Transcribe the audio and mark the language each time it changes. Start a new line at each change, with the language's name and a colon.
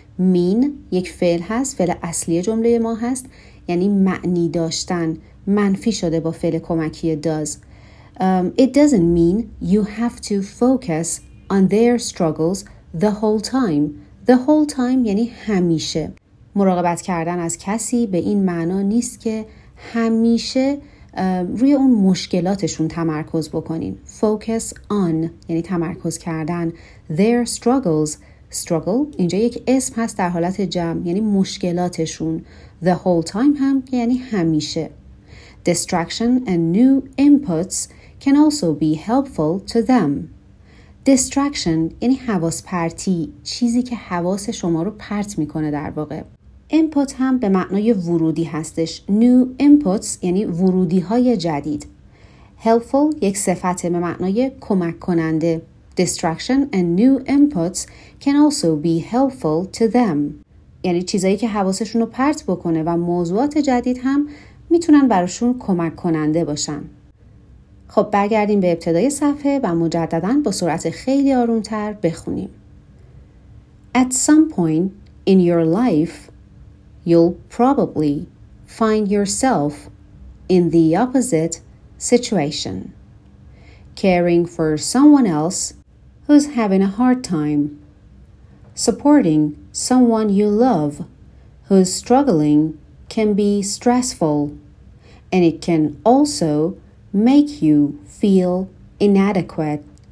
Persian: mean یک فعل هست، فعل اصلی جمله ما هست، یعنی معنی داشتن، منفی شده با فعل کمکی does.
English: It doesn't mean you have to focus on their struggles the whole time.
Persian: The whole time یعنی همیشه. مراقبت کردن از کسی به این معنا نیست که همیشه روی اون مشکلاتشون تمرکز بکنین.
English: Focus on یعنی تمرکز کردن. Their struggles.
Persian: Struggle اینجا یک اسم هست در حالت جمع یعنی مشکلاتشون. The whole time هم یعنی همیشه.
English: Distraction and new inputs can also be helpful to them.
Persian: Distraction یعنی حواس پرتی، چیزی که حواس شما رو پرت میکنه در واقع. Input هم به معنای ورودی هستش. New inputs یعنی ورودی های جدید. Helpful یک صفت به معنای کمک کننده.
English: Distraction and new inputs can also be helpful to them.
Persian: یعنی چیزایی که حواسشون رو پرت بکنه و موضوعات جدید هم میتونن براشون کمک کننده باشن. خب برگردیم به ابتدای صفحه و مجدداً با سرعت خیلی آروم‌تر بخونیم.
English: At some point in your life, you'll probably find yourself in the opposite situation, caring for someone else who's having a hard time, supporting someone you love who's struggling can be stressful, and it can also make you feel inadequate.